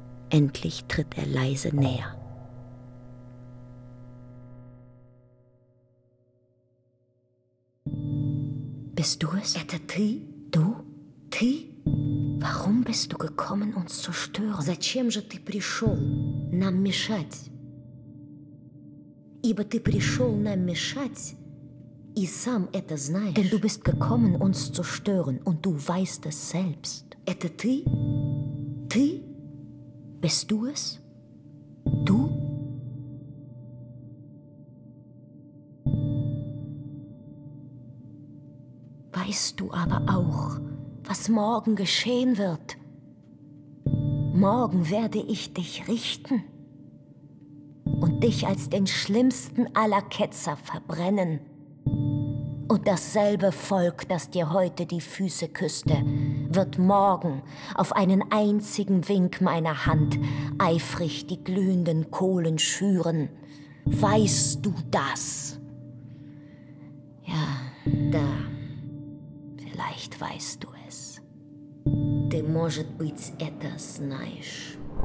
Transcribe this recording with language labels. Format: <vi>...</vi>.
<de>Endlich tritt er leise näher. Bist du es? Etta Tri? Du? Tri? Warum bist du gekommen, uns zu stören?</de> <ru>Зачем же ты пришел нам мешать? Ибо ты пришел нам мешать, и сам это знаешь.</ru> <de>Denn du bist gekommen, uns zu stören, und du weißt es selbst.</de> <ru>Это ты? Ты?</ru> <de>Bist du es? Du? Weißt du aber auch, was morgen geschehen wird? Morgen werde ich dich richten. Und dich als den schlimmsten aller Ketzer verbrennen. Und dasselbe Volk, das dir heute die Füße küsste, wird morgen auf einen einzigen Wink meiner Hand eifrig die glühenden Kohlen schüren. Weißt du das? Ja, da, vielleicht weißt du es.</de> <ru>Ты, может быть, это знаешь.</ru>